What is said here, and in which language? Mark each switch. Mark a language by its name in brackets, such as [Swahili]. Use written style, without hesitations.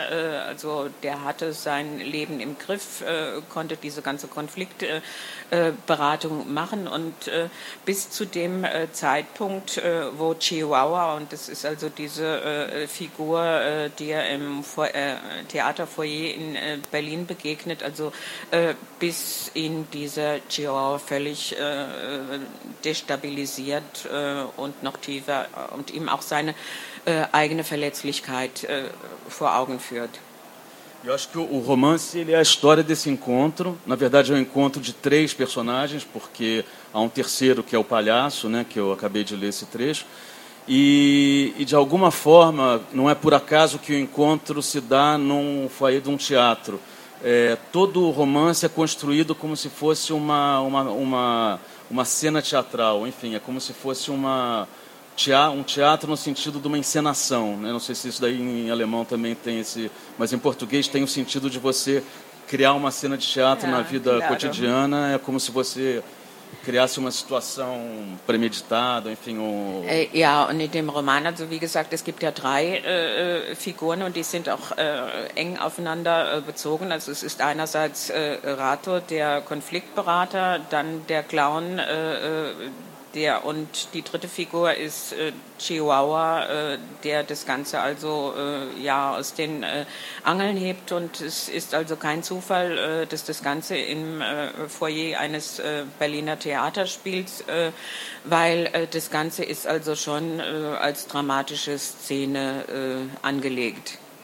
[German] Also der hatte sein Leben im Griff, konnte diese ganze Konfliktberatung machen und bis zu dem Zeitpunkt, wo Chihuahua, und das ist also diese Figur, die er im Theaterfoyer in Berlin begegnet, also bis ihn dieser Chihuahua völlig destabilisiert und noch tiefer und ihm auch seine eigene Verletzlichkeit vor Augen führt. [Portuguese] Eu acho que o romance ele é a história desse encontro. Na verdade, é um encontro de três personagens, porque há um terceiro que é o palhaço, né, que eu acabei de ler esse trecho. E de alguma forma, não é por acaso que o encontro se dá num foyer de um teatro. Todo o romance é construído como se fosse uma cena teatral, enfim, é como se fosse um teatro no sentido de uma encenação, né? Não sei se isso daí em alemão também tem esse, mas em português tem o sentido de você criar uma cena de teatro na vida cotidiana, é como se você criasse uma situação premeditada, enfim, [German] Ja, und in dem Roman, also wie gesagt, es gibt ja drei Figuren und die sind auch eng aufeinander bezogen. Also es ist einerseits Rato, der Konfliktberater, dann der Clown, der und die dritte Figur ist Chihuahua, der das Ganze also ja aus den Angeln hebt und es ist also kein Zufall, dass das Ganze im Foyer eines Berliner Theaters spielt, weil das Ganze ist also schon als dramatische Szene angelegt.